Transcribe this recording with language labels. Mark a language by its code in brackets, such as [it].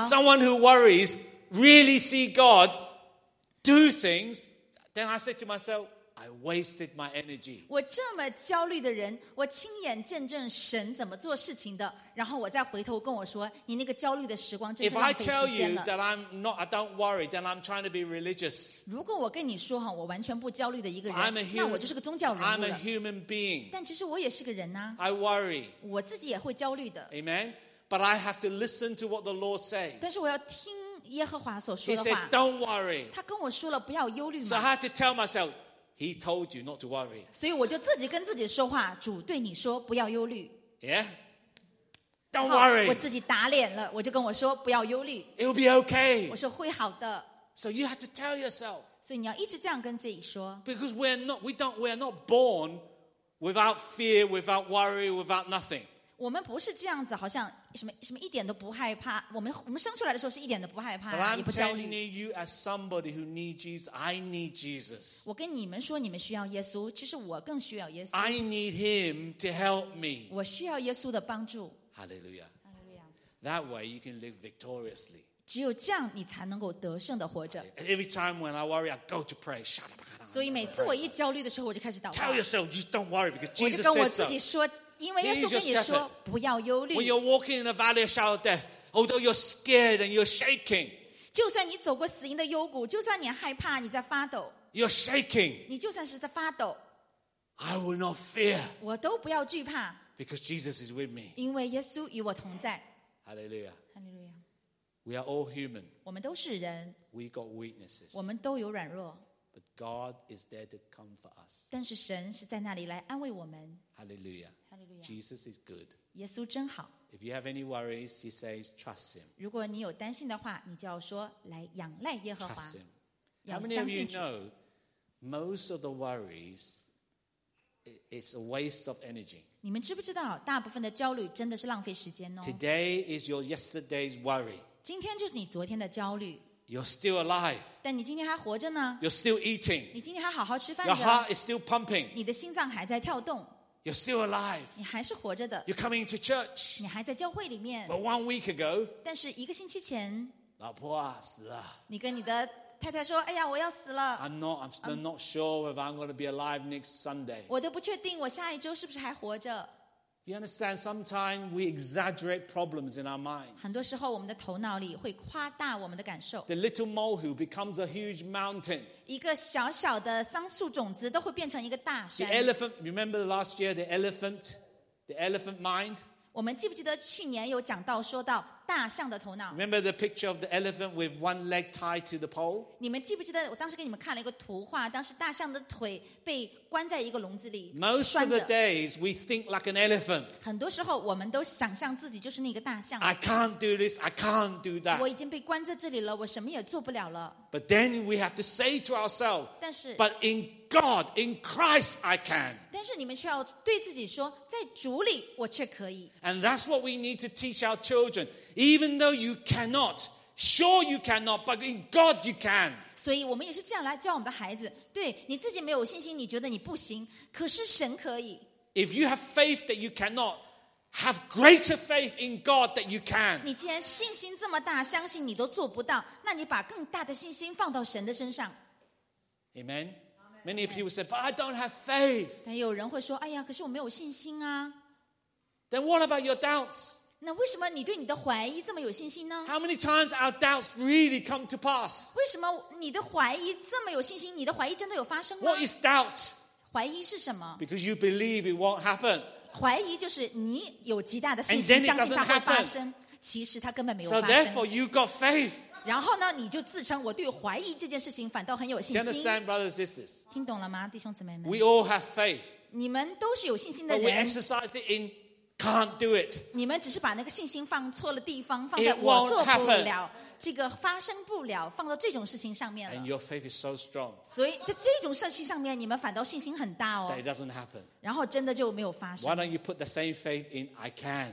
[en] ？Someone who worries really see God do things. Then I said to myself, I wasted my energy. [zh] 我这么焦虑的人，我亲眼见证神怎么做事情的，然后我再回头跟我说，你那个焦虑的时光真是浪费时间了。 [en] If I tell you that I'm not, I don't worry, then I'm trying to be religious. [zh] 如果我跟你说哈，我完全不焦虑的一个人，那我就是个宗教人物了。 [en] I'm a human being. [zh] 但其实我也是个人呐。 [en] I worry. [zh] 我自己也会焦虑的。 [en] Amen. But I have to listen to what the Lord says. [zh] 但是我要听耶和华所说的话。 [en] He said, "Don't worry." [zh] 他跟我说了不要忧虑嘛。 [en] So I have to tell myself. He told you not to worry. [zh] 所以我就自己跟自己说话，主对你说不要忧虑。 [en] Yeah, don't worry. [zh] 我自己打脸了，我就跟我说不要忧虑。 [en] It'll be okay. [zh] 我说会好的。 [en] So you have to tell yourself. [zh] 所以你要一直这样跟自己说。 [en] Because we are not born without fear, without worry, without nothing. [zh] 我们不是这样子，好像什么什么一点都不害怕。我们生出来的时候是一点都不害怕，也不焦虑。 [en] But I'm telling you, as somebody who needs Jesus, I need Jesus. [zh] 我跟你们说，你们需要耶稣，其实我更需要耶稣。 [en] I need Him to help me. [zh] 我需要耶稣的帮助。 [en] Hallelujah. Hallelujah. That way you can live victoriously. [zh] 只有这样，你才能够得胜的活着。 [en] Every time when I worry, I go to pray. Shut up. [zh] 所以每次我一焦虑的时候，我就开始祷告。 [en] Tell yourself you don't worry because Jesus says so. [zh] 我就跟我自己说，因为耶稣跟你说不要忧虑。 [en] When you're walking in the valley of shadow of death, although you're scared and you're shaking, [zh] 就算你走过死荫的幽谷，就算你害怕，你在发抖。 [en] You're shaking. [zh] 你就算是在发抖。 [en] I will not fear. [zh] 我都不要惧怕。 [en] Because Jesus is with me. [zh] 因为耶稣与我同在。 [en] Hallelujah. Hallelujah. We are all human. [zh] 我们都是人。 [en] We got weaknesses. [zh] 我们都有软弱。 [en] But God is there to comfort us. [zh] 但是神是在那里来安慰我们。 [en] Hallelujah. Hallelujah. Jesus is good. [zh] 耶稣真好。 [en] If you have any worries, he says, trust him. [zh] 如果你有担心的话，你就要说来仰赖耶和华。 [en] Trust him. How many of you know most of the worries? It's a waste of energy. [zh] 你们知不知道，大部分的焦虑真的是浪费时间哦。 [en] Today is your yesterday's worry. [zh] 今天就是你昨天的焦虑。 [en] You're still alive. [zh] 但你今天还活着呢。 [en] You're still eating. [zh] 你今天还好好吃饭的。 [en] Your heart is still pumping. [zh] 你的心脏还在跳动。 [en] You're still alive. [zh] 你还是活着的。 [en] You're coming to church. [zh] 你还在教会里面。 [en] But 1 week ago. [zh] 但是一个星期前。老婆啊，死了。你跟你的太太说，哎呀，我要死了。 [en] I'm not sure if I'm going to be alive next Sunday. [zh] 我都不确定我下一周是不是还活着。 [en] You understand? Sometimes we exaggerate problems in our minds. [zh] 很多时候，我们的头脑里会夸大我们的感受。 [en] The little molehill becomes a huge mountain. [zh] 一个小小的桑树种子都会变成一个大山。 [en] The elephant. Remember last year, the elephant mind. [zh] 我们记不记得去年有讲到说到大象的头脑 [en] ？Remember the picture of the elephant with one leg tied to the pole? [zh] 你们记不记得我当时给你们看了一个图画？当时大象的腿被关在一个笼子里。 [en] Most of the days we think like an elephant. [zh] 很多时候我们都想象自己就是那个大象。 [en] I can't do this. I can't do that. [zh] 我已经被关在这里了，我什么也做不了了。 [en] But then we have to say to ourselves. [zh] 但是。 [en] But in God, in Christ, I can. [zh] 但是你们却要对自己说，在主里我却可以。 [en] And that's what we need to teach our children. Even though you cannot, sure you cannot, but in God you can. [zh] 所以我们也是这样来教我们的孩子，对，你自己没有信心，你觉得你不行，可是神可以。 [en] If you have faith that you cannot, have greater faith in God that you can. [zh] 你既然信心这么大，相信你都做不到，那你把更大的信心放到神的身上。 [en] Amen. Many people say, but I don't have faith. [zh] 但有人会说，哎呀，可是我没有信心啊。 [en] Then what about your doubts? [zh] 那为什么你对你的怀疑这么有信心呢 [en] ？How many times our doubts really come to pass？ [zh] 为什么你的怀疑这么有信心？你的怀疑真的有发生吗 [en] ？What is doubt？ [zh] 怀疑是什么 [en] ？Because you believe it won't happen。 [zh] 怀疑就是你有极大的信心，相信它会发生，其实它根本没有发生。 [en] So therefore, you got faith。 [zh] 然后呢，你就自称我对怀疑这件事情反倒很有信心。 [en] Do you understand, brothers and sisters？ [zh] 听懂了吗，弟兄姊妹们 [en] ？We all have faith。 [zh] 你们都是有信心的人。 [en] But we exercise it in。 Can't do it. [zh] 你们只是把那个信心放错了地方，放在我做不了，这个发生不了，放到这种事情上面了。 [en] And your faith is so strong. [zh] 所以在这种事情上面，你们反倒信心很大哦。 [en] That it doesn't happen. [zh] 然后真的就没有发生。 [en] Why don't you put the same faith in I can?